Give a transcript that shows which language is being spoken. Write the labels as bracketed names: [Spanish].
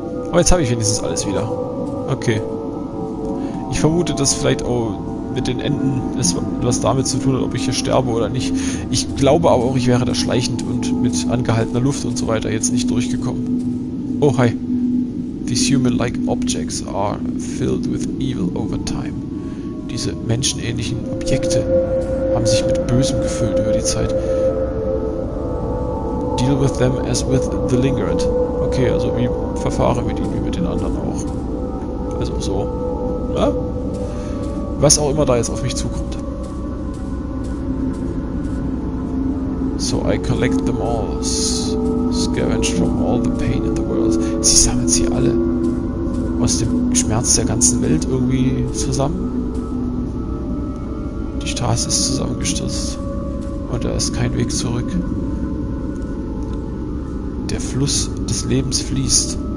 [German] Aber jetzt habe ich wenigstens alles wieder. Okay. Ich vermute, dass vielleicht auch mit den Enden was damit zu tun hat, ob ich hier sterbe oder nicht. Ich glaube aber auch, ich wäre da schleichend und mit angehaltener Luft und so weiter jetzt nicht durchgekommen. [English] Oh, hi. These human-like objects are filled with evil over time. [German] Diese menschenähnlichen Objekte haben sich mit Bösem gefüllt über die Zeit. [English] Deal with them as with the lingered. [German] Okay, also wie verfahren wir die wie mit den anderen auch? Also so. Ja? Was auch immer da jetzt auf mich zukommt. [English] So I collect them all. Scavenged from all the pain in the world. [German] Sie sammelt sie alle. Aus dem Schmerz der ganzen Welt irgendwie zusammen. Die Straße ist zusammengestürzt. Und da ist kein Weg zurück. Der Fluss des Lebens fließt.